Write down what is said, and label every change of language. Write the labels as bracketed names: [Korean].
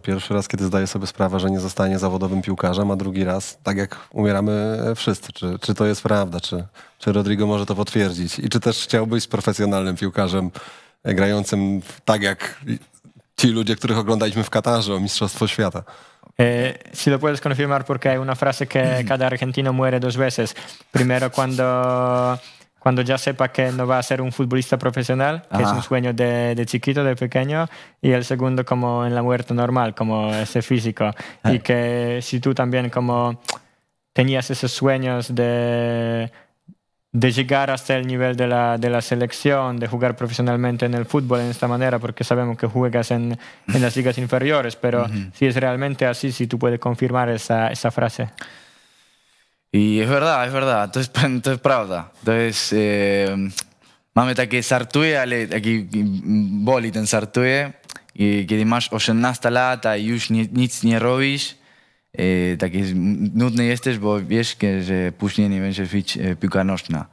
[Polish] Pierwszy raz, kiedy zdaje sobie sprawę, że nie zostanie zawodowym piłkarzem, a drugi raz, tak jak umieramy wszyscy. Czy to jest prawda? Czy Rodrigo może to potwierdzić? I czy też chciałbyś być profesjonalnym piłkarzem, grającym tak jak ci ludzie, których oglądaliśmy w Katarze o Mistrzostwo Świata? [Spanish] Si lo puedes confirmar, porque hay una frase que cada argentino muere dos veces. Primero cuando ya sepa que no va a ser un futbolista profesional, que es un sueño de chiquito, de pequeño, y el segundo como en la muerte normal, como ese físico. Y que si tú también como tenías esos sueños de llegar hasta el nivel de la selección, de jugar profesionalmente en el fútbol en esta manera, porque sabemos que juegas en las ligas inferiores, pero si es realmente así, si tú puedes confirmar esa frase. Y es verdad, [Polish] to es pravda. [Spanish] Entonces, [Polish] mamy takie sartuje, ale taki boli ten sartuje, kiedy masz 18 lat, a już nic nie robisz. Taki nudny jesteś, bo wiesz, że później nie będziesz być piłka nożna.